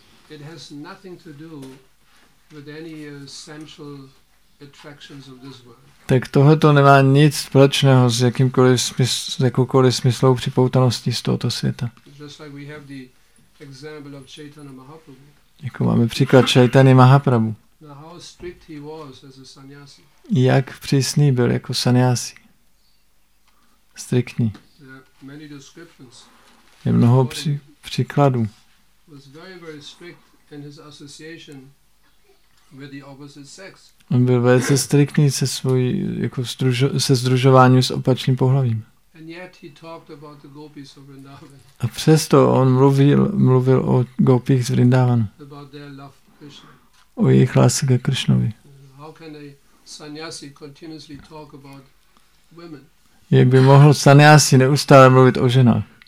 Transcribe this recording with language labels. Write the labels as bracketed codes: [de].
[en] It has nothing to do with any essential attractions of this world. [cs] Tak tohle to nemá nic společného s jakýmkoliv jakoukoliv smyslovou připoutaností z tohoto světa. [en] Just like we have the example of Chaitanya Mahaprabhu. [cs] Jako máme příklad Chaitanya Mahaprabhu. [en] Now how strict he was as a sannyasi. [cs] Jak přísný byl jako sannyasi. Striktní. [en] There are many descriptions. [cs] Je mnoho příkladů. [en] Was very very strict in his association with the opposite sex. [cs] On byl velice striktní se svojí jako se sdružováním s opačným pohlavím. [en] And yet he talked about the gopis of Vrindavan. [cs] A přesto on mluvil o gopích z Vrindavanu. [en] About their love to Krishna. [cs] O jejich lásce ke Kršnovi. [en] How can a sannyasi continuously talk about women? [cs] Jak by mohl sannyasi neustále mluvit o ženách?